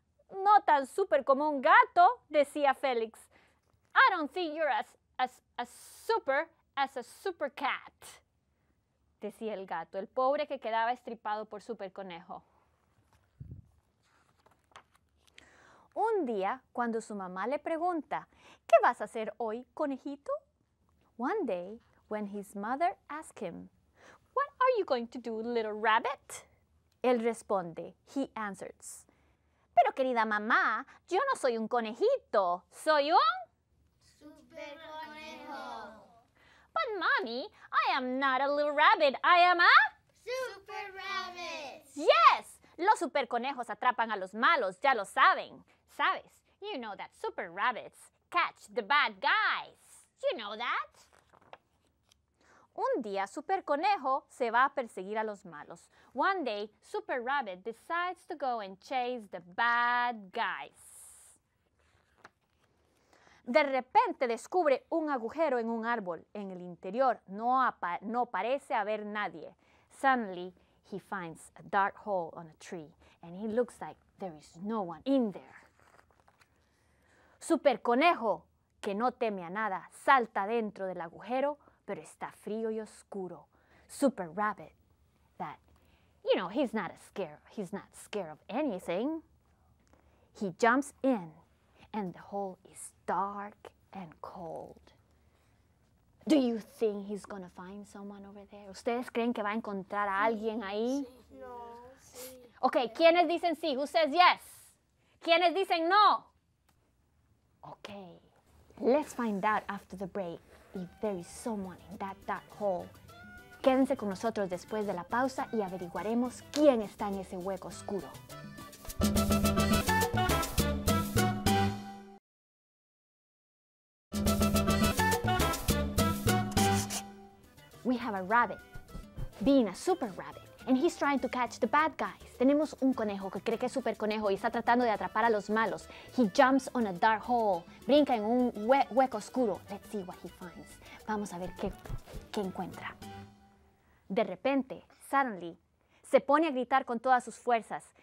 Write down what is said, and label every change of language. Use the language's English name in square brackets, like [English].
[Spanish] No tan super como un gato, decía Félix. [English] I don't think you're as super as a super cat, [Spanish] decía el gato, el pobre que quedaba estripado por Super Conejo. Un día, cuando su mamá le pregunta, ¿qué vas a hacer hoy, conejito? [English] One day, when his mother asked him, what are you going to do, little rabbit? [Spanish] Él responde, [English] he answers, [Spanish] pero querida mamá, yo no soy un conejito, soy un... Super Conejo. [English] But mommy, I am not a little rabbit. I am a... Super Rabbit. [Spanish] Yes, los super conejos atrapan a los malos, ya lo saben. [English] Sabes, you know that super rabbits catch the bad guys. You know that? [Spanish] Un día, Super Conejo se va a perseguir a los malos. [English] One day, Super Rabbit decides to go and chase the bad guys. [Spanish] De repente descubre un agujero en un árbol. En el interior no parece haber nadie. [English] Suddenly, he finds a dark hole on a tree, and he looks like there is no one in there. [Spanish] Super Conejo, que no teme a nada, salta dentro del agujero, pero está frío y oscuro. [English] Super Rabbit, that, you know, he's not scared of anything. He jumps in. And the hole is dark and cold. Do you think he's gonna find someone over there? [Spanish] ¿Ustedes creen que va a encontrar a alguien ahí? Sí. Okay, ¿quiénes dicen sí? [English] Who says yes? [Spanish] ¿Quiénes dicen no? [English] Okay, let's find out after the break if there is someone in that dark hole. [Spanish] Quédense con nosotros después de la pausa y averiguaremos quién está en ese hueco oscuro. [English] We have a rabbit, being a super rabbit, and he's trying to catch the bad guys. [Spanish] Tenemos un conejo que cree que es super conejo y está tratando de atrapar a los malos. [English] He jumps on a dark hole, [Spanish] brinca en un hueco oscuro. [English] Let's see what he finds. [Spanish] Vamos a ver qué encuentra. De repente, [English] suddenly, [Spanish] se pone a gritar con todas sus fuerzas.